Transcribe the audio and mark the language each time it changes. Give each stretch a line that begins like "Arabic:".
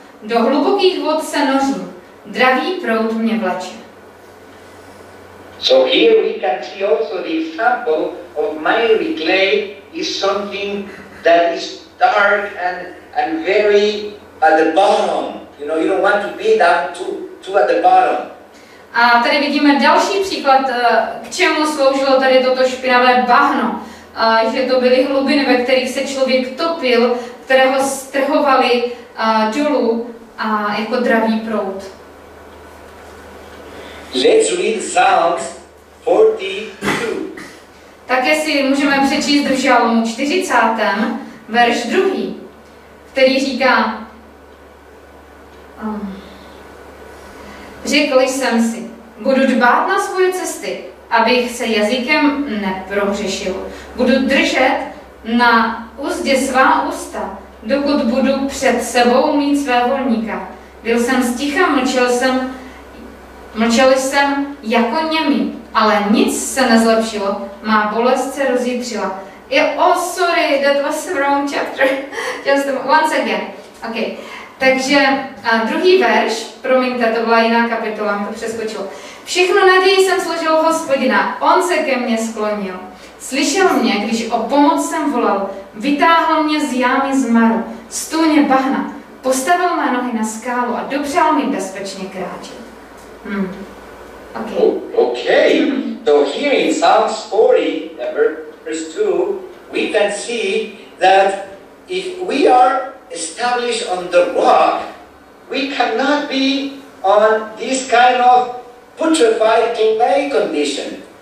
Czech: Do hlubokých vod se nořím, dravý proud mě vlače.
English: So here we can see also the example of miry clay is something that is dark and very at the bottom. You know, you don't want to be that too at the bottom.
Czech: A tady vidíme další příklad, k čemu sloužilo tady toto špinavé bahno. Že to byly hlubiny, ve kterých se člověk topil, které ho strhovaly dolů jako dravý proud. Let's read Psalms 42. Také si můžeme přečíst v Žalmu 40. verš 2, který říká: Řekl jsem si, budu dbát na svoje cesty, abych se jazykem neprohřešil. Budu držet na úzdě svá ústa, dokud budu před sebou mít své volníka. Byl jsem sticha, mlčel jsem jako němý, ale nic se nezlepšilo, má bolest se rozjitřila.
English: That was the wrong chapter. Just once again. Okay.
Czech: Takže druhý verš, promiňte, to byla jiná kapitola, to přeskočilo. Všechno naději jsem složil Hospodina, on se ke mně sklonil. Slyšel mě, když o pomoc jsem volal, vytáhl mě z jámy zmaru, z tůně bahna, postavil mé nohy na skálu a dopřál mi bezpečně kráčet.
English: Okay. So here in Psalms 40, verse 2, we can see that if we are established on the rock, we cannot be on this kind of putrefied clay condition.